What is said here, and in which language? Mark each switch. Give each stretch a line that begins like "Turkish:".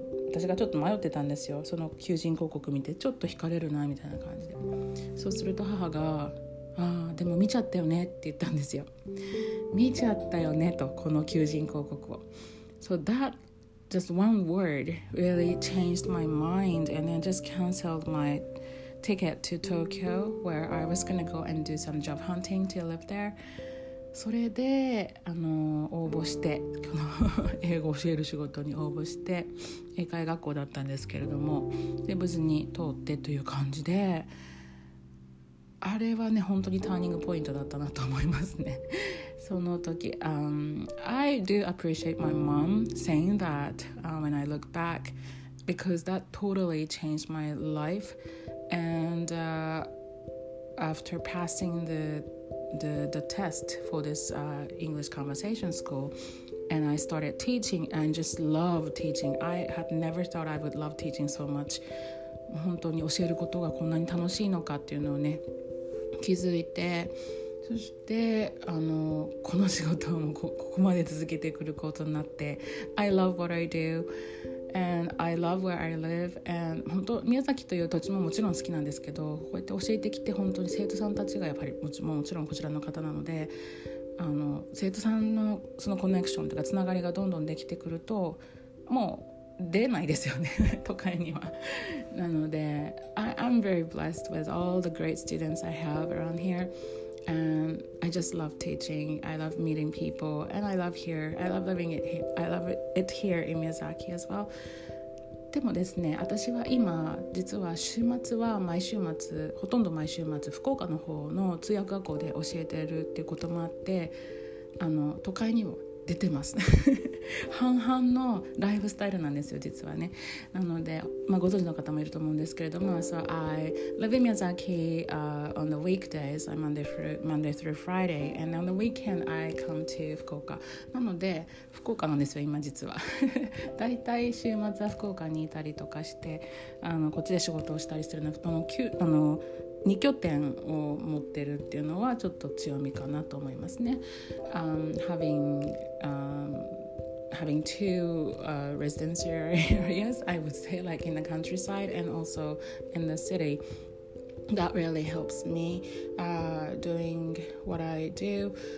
Japanese: 私がちょっと迷ってたんですよ、その求人広告見てちょっと惹かれるなみたいな感じで。そうすると母が、あーでも見ちゃったよねって言ったんですよ。見ちゃったよねと、この求人広告を。
English: So that just one word really changed my mind and then just cancelled myticket to Tokyo where I was gonna go and do some job hunting to live there.
Japanese: それで応募して、この英語教える仕事に応募して、英会学校だったんですけれども、で無事に通ってという感じで、あれはね本当にターニングポイントだったなと思いますね。その時、
English: I do appreciate my mom saying that when I look back, because that totally changed my life. And after passing the test for this English conversation school, and I started teaching, and just love teaching. I had never thought I would love teaching so much.
Japanese: 本当に教えることがこんなに楽しいのかっていうのをね、気づいて、そしてこの仕事をもここまで続けてくることになって、
English: I love what I do. And I love where I live. And
Japanese: 本当宮崎という土地ももちろん好きなんですけど、こうやって教えてきて本当に生徒さんたちがやっぱり もちろんこちらの方なので、生徒さんのそのコネクションというかつながりがどんどんできてくると、もう出ないですよね都会にはなので、
English: I'm very blessed with all the great students I have around here. And I just love teaching. I love meeting people. And I love here. I love living it here. I love it here in Miyazaki as well.
Japanese: でもですね、私は今実は週末は毎週末、ほとんど毎週末、福岡の方の通訳学校で教えてるっていうこともあって、都会にも出てます半々のライフスタイルなんですよ実はね。なので、まあ、ご存知の方もいると思うんですけれども、
English: So I live in Miyazaki on the weekdays, Monday through Friday, and on the weekend I come to 福岡。
Japanese: なので福岡なんですよ今実はだいたい週末は福岡にいたりとかして、こっちで仕事をしたりするのは、2拠点を持ってるっていうのはちょっと強みかなと思いますね。
English: Having two residential areas, I would say, like in the countryside and also in the city, that really helps me doing what I do.